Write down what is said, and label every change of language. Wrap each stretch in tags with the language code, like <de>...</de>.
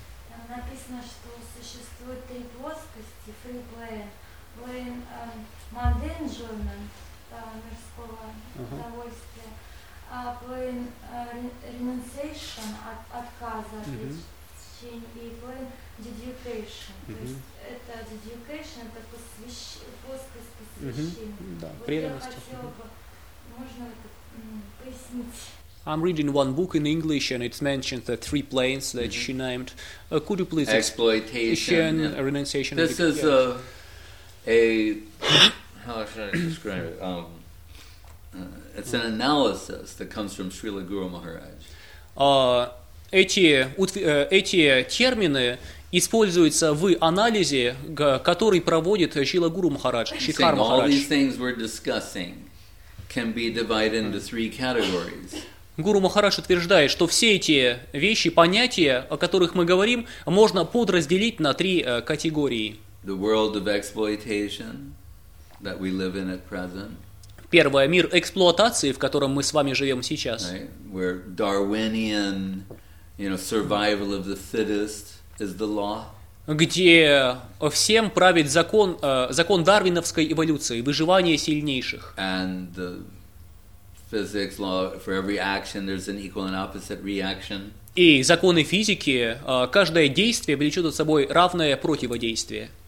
<ru>Там написано, что три плоскости,</ru> <en>three plane, plane mundane enjoyment,</en> <ru>мирского удовольствия,</ru> <en>plane renunciation,</en> <ru>отказа, и</ru> <en>plane dedication.</en> <ru>То есть это dedication, это плоскость посвящения. Вот я хотела бы, можно это пояснить?</ru> <en>I'm reading one book in English, and it mentions the three planes that she named. Could you please exploitation, renunciation? This is a how should I describe it? It's an analysis that comes from Srila Guru Maharaj.</en> <ru>эти термины используются в анализе, который проводит Шрила Гуру Махарадж, Шридхар Махарадж. Гуру Махарадж утверждает, что все эти вещи, понятия, о которых мы говорим, можно подразделить на три категории.</ru> <en>The world of exploitation that we live in at present.</en> <ru>Первое – мир эксплуатации, в котором мы с вами живем сейчас.</ru> <en>Right? Where Darwinian, you know, survival of the fittest is the law.</en> <ru>Где всем правит закон, закон дарвиновской эволюции, выживание сильнейших.</ru> <en>And the physics law, for every action, there's an equal and opposite reaction.</en> <ru>И законы физики, каждое действие влечет за собой равное противодействие.</ru>